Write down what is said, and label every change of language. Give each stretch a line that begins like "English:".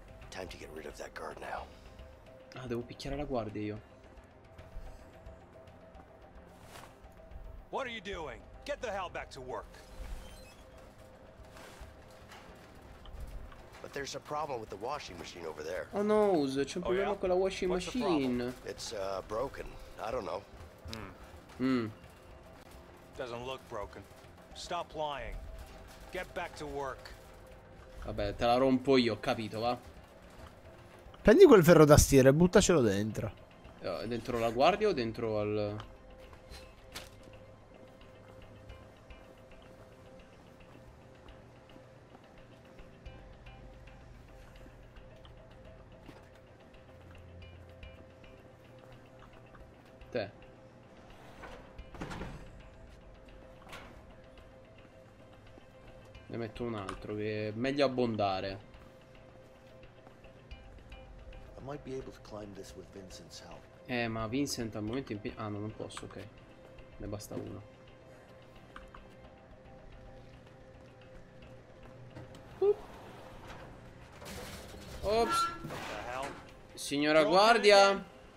English: Time to get rid of that guard now.
Italian: Ah, devo picchiare la guardia io.
English: What are you doing? Get the hell back to work. But there's a problem with the washing machine over there.
Italian: Oh no, c'è un problema con la washing machine.
English: It's broken. I don't know. Doesn't look broken. Stop lying. Get back to work.
Italian: Vabbè, te la rompo io, capito, va? Prendi quel ferro da stiro e buttacelo dentro. Dentro la guardia o dentro al... Ne metto un altro, che è meglio abbondare.
English: I might be able to climb this with Vincent's help.
Italian: Ma Vincent al momento ah no, non posso, ok. Ne basta uno. Ops. Signora guardia.